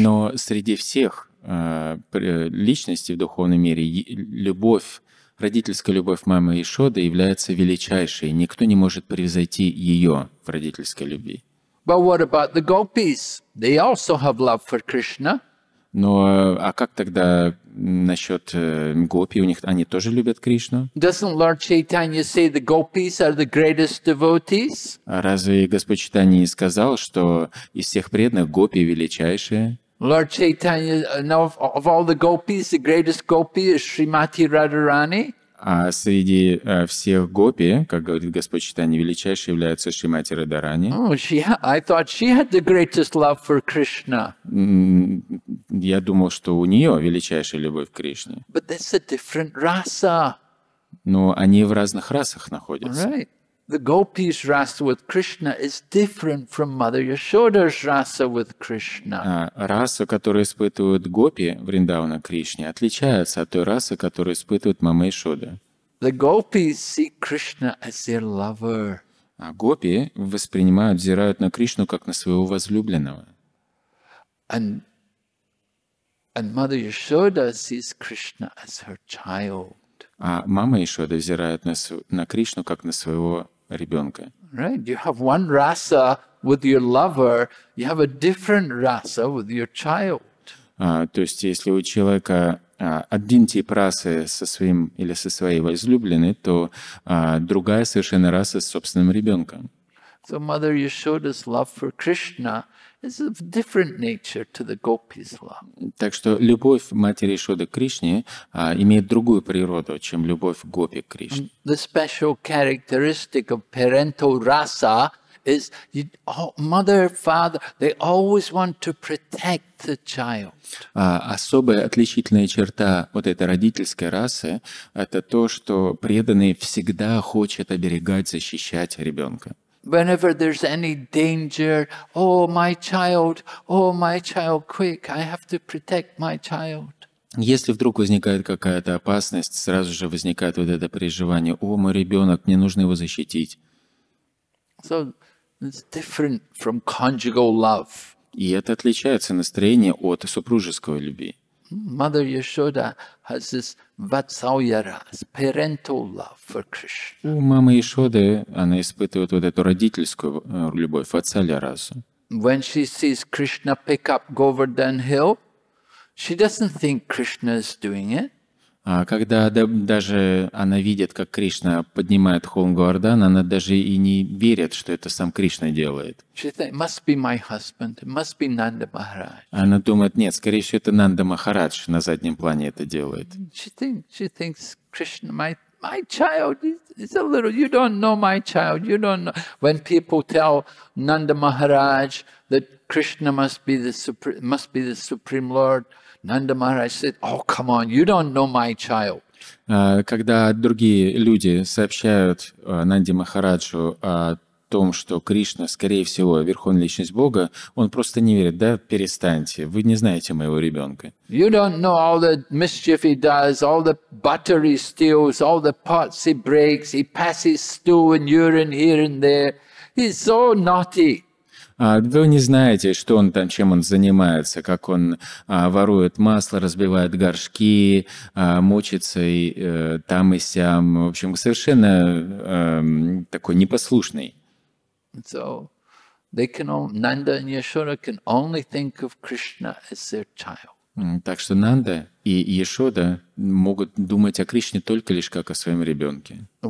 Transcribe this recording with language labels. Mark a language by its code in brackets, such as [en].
[ru] Но среди всех личностей в духовном мире любовь, родительская любовь мамы Яшоды является величайшей. Никто не может превзойти ее в родительской любви. [en] But what about the gopis? They also have love for Krishna. [ru] Но а как тогда насчет гопи? У них они тоже любят Кришну? [en] Doesn't Lord Chaitanya say the gopis are the greatest devotees? [ru] Разве Господь Чайтанья не сказал, что из всех преданных гопи величайшие? [en] Lord Chaitanya, of all the gopis, the greatest gopi is Shrimati Radharani. [ru] А среди всех гопи, как говорит Господь Чайтанья, величайшей является Шримати Радарани. [en] Oh, I thought she had the greatest love for Krishna. [ru] Я думал, что у нее величайшая любовь к Кришне. [en] But that's a different rasa. [ru] Но они в разных расах находятся. [en] Right. The gopis' rasa with Krishna is different from Mother Yashoda's rasa with Krishna. [ru] Раса, которую испытывают гопи Вриндавана Кришне, отличается от той расы, которую испытывает мама Яшода. [en] The gopis see Krishna as their lover. [ru] А гопи воспринимают, взирают на Кришну как на своего возлюбленного. [en] And Mother Yashoda sees Krishna as her child. [ru] А мама Яшода взирает на Кришну как на своего ребенка. [en] Right, you have one rasa with your lover, you have a different rasa with your child. [ru] То есть, если у человека один тип расы со своим или со своей возлюбленной, то другая совершенно раса с собственным ребенком. [en] So Mother Yashoda's love for Krishna is of different nature to the gopis' love. [ru] Так что любовь матери Яшоды к Кришне имеет другую природу, чем любовь гопи к Кришне. [en] The special characteristic of parental rasa is mother, father, they always want to protect the child. [ru] Особая отличительная черта вот этой родительской расы – это то, что преданный всегда хочет оберегать, защищать ребенка. [en] Whenever there's any danger, oh my child, quick, I have to protect my child. [ru] Если вдруг возникает какая-то опасность, сразу же возникает вот это переживание: о, мой ребенок, мне нужно его защитить. [en] So it's different from conjugal love. [ru] И это отличается настроение от супружеской любви. [en] Mother Yashoda has this vatsalya rasa, parental love for Krishna. [ru] У мамы Яшоды она испытывает вот эту родительскую любовь, vatsalya rasa. [en] When she sees Krishna pick up Govardhan Hill, she doesn't think Krishna is doing it. [ru] А когда даже она видит, как Кришна поднимает холм Говардхан, она даже и не верит, что это сам Кришна делает. [en] She thinks, it must be my husband, it must be Nanda Maharaj. [ru] Она думает, нет, скорее всего, это Нанда Махарадж на заднем плане это делает. [en] She thinks Krishna, my child, it's a little, you don't know my child, you don't know. When people tell Nanda Maharaj that Krishna must be the supreme Lord, Nanda Maharaj said, oh, come on, you don't know my child. [ru] Когда другие люди сообщают Нанде Махараджу о том, что Кришна, скорее всего, верховная личность Бога, он просто не верит. Да, перестаньте, вы не знаете моего ребенка. [en] You don't know all the mischief he does, all the butter he steals, all the pots he breaks, he passes stew and urine here and there. He's so naughty. [ru] Вы не знаете, что он там, чем он занимается, как он ворует масло, разбивает горшки, мучится и там и сям. В общем, совершенно такой непослушный. Так что Нанда и Яшода могут думать о Кришне только лишь как о своем ребенке.